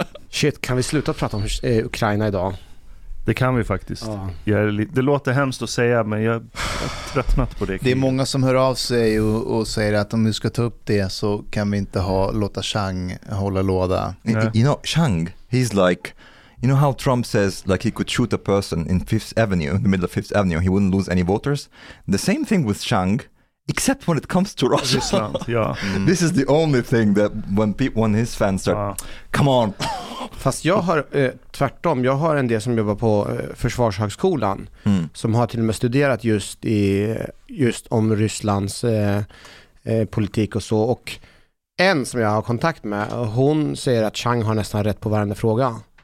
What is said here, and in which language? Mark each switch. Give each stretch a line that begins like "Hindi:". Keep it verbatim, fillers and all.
Swedish: Shit, kan vi sluta prata om eh, Ukraina idag? Det kan vi faktiskt. Ja. Jag är li- det låter hemskt att säga, men jag har tröttnat på det. Det är många som hör av sig och, och säger att om vi ska ta upp det så kan vi inte ha, låta Chang hålla låda.
English: Yeah. You know, Chang, he's like, you know how Trump says like he could shoot a person in Fifth Avenue, in the middle of Fifth Avenue, he wouldn't lose any voters? The same thing with Chang, except when it comes to Russia.
Swedish: Ryssland, ja.
English: This is the only thing that when people, when his fans start,
Swedish: Ja.
English: come on.
Swedish: Fast jag har eh, tvärtom. Jag har en del som jobbar på eh, Försvarshögskolan Mm. som har till och med studerat just, i, just om Rysslands eh, eh, politik och så. Och en som jag har kontakt med, hon säger att Chang har nästan rätt på varenda fråga.